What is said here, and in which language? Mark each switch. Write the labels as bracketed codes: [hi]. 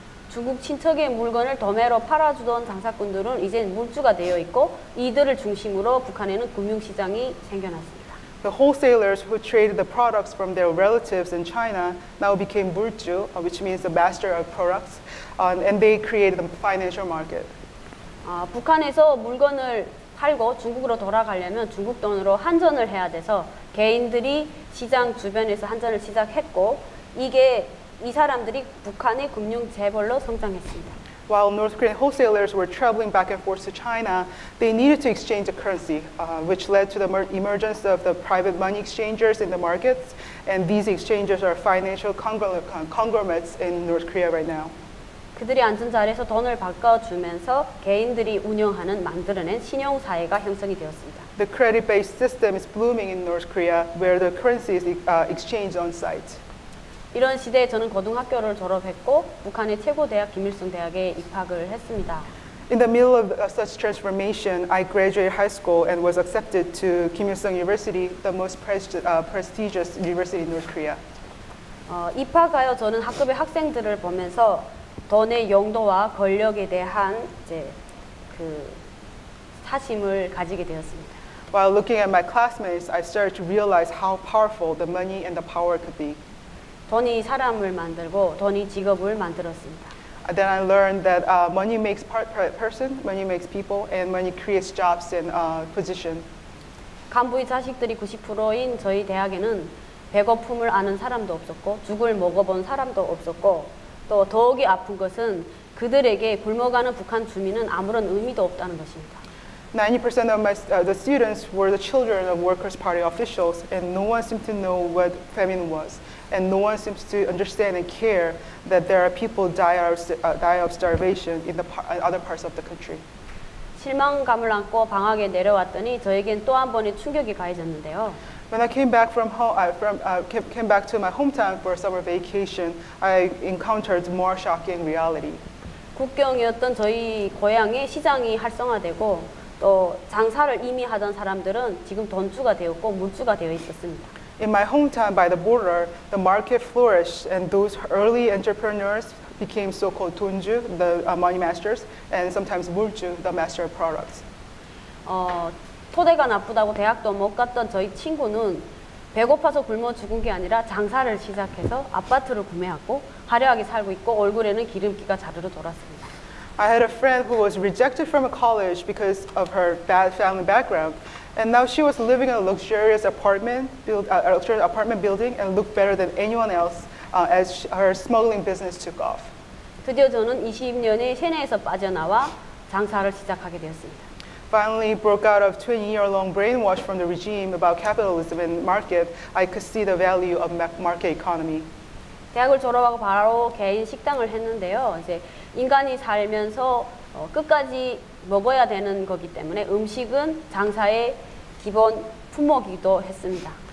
[ko] 중국 친척의 물건을 도매로 팔아주던 장사꾼들은 이제 물주가 되어 있고 이들을 중심으로 북한에는 금융시장이 생겨났습니다. [en] The wholesalers who traded the products from their relatives in China now became 물주, which means the master of products, and they created the financial market. [ko] 북한에서 물건을 팔고 중국으로 돌아가려면 중국 돈으로 환전을 해야 돼서 개인들이 시장 주변에서 환전을 시작했고 이게 이 사람들이 북한의 금융 재벌로 성장했습니다. [en] While North Korean wholesalers were traveling back and forth to China, they needed to exchange the currency, which led to the emergence of the private money exchangers in the markets. And these exchangers are financial conglomerates in North Korea right now. [ko] 그들이 앉은 자리에서 돈을 바꿔주면서 개인들이 운영하는 만들어낸 신용 사회가 형성이 되었습니다. [en] The credit-based system is blooming in North Korea, where the currency is exchanged on site. [ko] 이런 시대에 저는 고등학교를 졸업했고 북한의 최고 대학 김일성 대학에 입학을 했습니다. [en] In the middle of such transformation, I graduated high school and was accepted to Kim Il-sung University, the most prestigious university in North Korea. [ko] 입학하여 저는 학급의 학생들을 보면서 돈의 용도와 권력에 대한 이제 그 사심을 가지게 되었습니다. [en] While looking at my classmates, I started to realize how powerful the money and the power could be. [ko] 돈이 사람을 만들고 돈이 직업을 만들었습니다. [en] Then I learned that money makes person, money makes people, and money creates jobs and position. [ko] 간부의 자식들이 90%인 저희 대학에는 배고픔을 아는 사람도 없었고 죽을 먹어본 사람도 없었고 또 더욱이 아픈 것은 그들에게 굶어가는 북한 주민은 아무런 의미도 없다는 것입니다. [en] 90% of my the students were the children of Workers' Party officials, and no one seemed to know what famine was, and no one seems to understand and care that there are people die of starvation in the other parts of the country. [ko] 실망감을 안고 방학에 내려왔더니 저에겐 또 한 번의 충격이 가해졌는데요. [en] When I came back from home, came back to my hometown for a summer vacation, I encountered more shocking reality. [ko] 국경이었던 저희 고향의 시장이 활성화되고. 또 장사를 이미 하던 사람들은 지금 돈주가 되었고 물주가 되어 있었습니다. [en] In my hometown by the border, the market flourished and those early entrepreneurs became so-called 돈주, the money masters, and sometimes 물주, the master of products. [ko] 토대가 나쁘다고 대학도 못 갔던 저희 친구는 배고파서 굶어 죽은 게 아니라 장사를 시작해서 아파트를 구매하고 화려하게 살고 있고 얼굴에는 기름기가 자르르 돌았습니다. [en] I had a friend who was rejected from a college because of her bad family background, and now she was living in a luxurious apartment building and looked better than anyone else as her smuggling business took off. [ko] 드디어 저는 20년의 세뇌에서 빠져나와 장사를 시작하게 되었습니다. [en] Finally broke out of 20-year-long brainwash from the regime about capitalism and market, I could see the value of market economy. [ko] 대학을 졸업하고 바로 개인 식당을 했는데요. 이제 인간이 살면서 끝까지 먹어야 되는 거기 때문에 음식은 장사의 기본 품목이기도 했습니다.